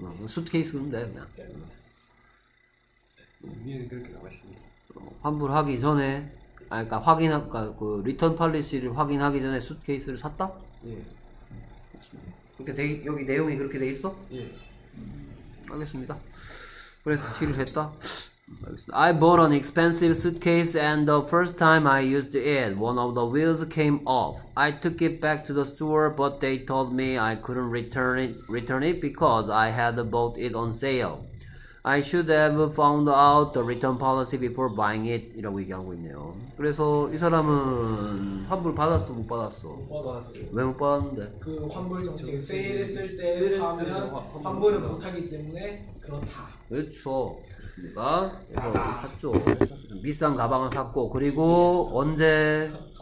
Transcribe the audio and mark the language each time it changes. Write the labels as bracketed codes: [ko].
[ko] 수트케이스는 돼 그냥. 의미는 그렇게 나와있습니다. 환불하기 전에 아 그러니까 확인할까 그 리턴 팔리시를 확인하기 전에 수트케이스를 샀다? 예. 그렇게 돼 여기 내용이 그렇게 돼 있어? 예. 알겠습니다. 그래서 T를 했다. [en] I bought an expensive suitcase and the first time I used it, one of the wheels came off. I took it back to the store, but they told me I couldn't return it because I had bought it on sale. I should have found out the return policy before buying it. [ko] 이라고 얘기하고 있네요. 그래서 이 사람은 환불 받았어, 못 받았어? 못 받았어요. 왜 못 받았는데? 그 환불 정책 세일했을 때 사면 환불을 못 하기 때문에 그렇다. 그렇죠. 그렇습니다. 그래서 샀죠. 비싼 가방을 샀고, 그리고 언제?